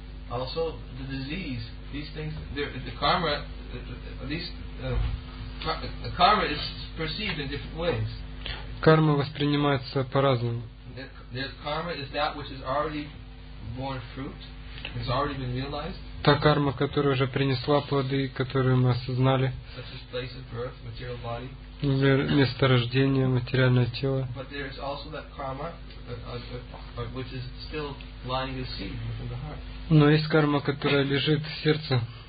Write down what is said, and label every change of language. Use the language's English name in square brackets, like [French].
[English] Also, the disease, these things, the karma is perceived in different ways. [Russian] Карма воспринимается по-разному. [English] The karma is that which has already borne fruit, has already been realized. [Russian] Та карма, которая уже принесла плоды, которую мы осознали. [English] Such as place of birth, material body. [Russian] Место рождения, материальное тело. [English] But there is also that karma, which is still lying as seed within the heart. [Russian] Но есть карма, которая лежит в сердце,